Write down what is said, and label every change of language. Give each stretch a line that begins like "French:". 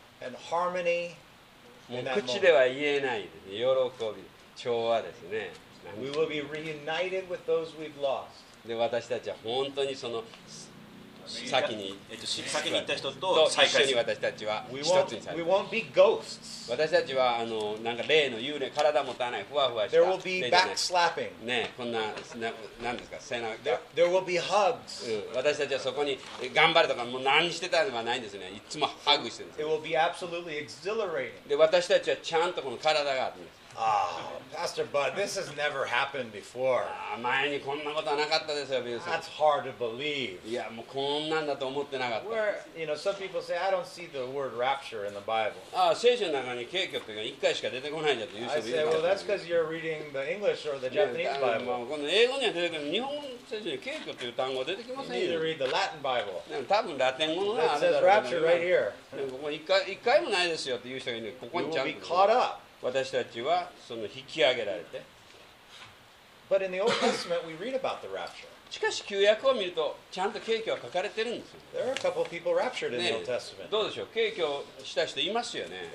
English: And harmony
Japanese: もう口では言えないですね。喜び、調和ですね。
English: We will be reunited with those we've lost.
Japanese: で、私たちは本当にその先に、先に行った人と再会一緒に私たちは一つにされます。
English: We won't be ghosts.
Japanese: 私たちはあのなんか霊の幽霊、体持たない、ふわふわした。
English: There will be backslapping.
Japanese: ね、こんな、なんですか、背中。
English: There will be hugs.
Japanese: 私たちはそこに頑張るとか、もう何してたのではないんですね。いつもハグしてるんです。
English: It will be absolutely exhilarating.
Japanese: で、私たちはちゃんとこの体があるんです。
English: Oh, Pastor Bud, this has never happened before.
Japanese: 前にこんなことはなかったですよ、ビルさん。
English: That's hard to believe.
Japanese: いや、もうこんなんだと思ってなかった。
English: Where, you know, some people say, I don't see the word rapture in the Bible.
Japanese: ああ、聖書の中に景挙っていうか一回しか出てこないんだと言う人もいるから。
English: I say, well, that's because you're reading the English or the Japanese Bible.
Japanese: まあ、この英語には出てくる。日本聖書に景挙という単語出てきませんよ。
English: You need to read the Latin Bible.
Japanese: でも多分ラテン語のあれだろう
English: ね。It says rapture right here.
Japanese: ここ一回もないですよという人がいる。ここにちゃんと。
English: You will be caught up.
Japanese: 私たちはその引き上げられて。
English: But in the Old Testament, we read about the rapture.
Japanese: しかし、旧約を見ると、ちゃんと景挙は書かれてるんですよ。
English: There are a couple of people raptured in the Old Testament.
Japanese: どうでしょう、景挙した人いますよね。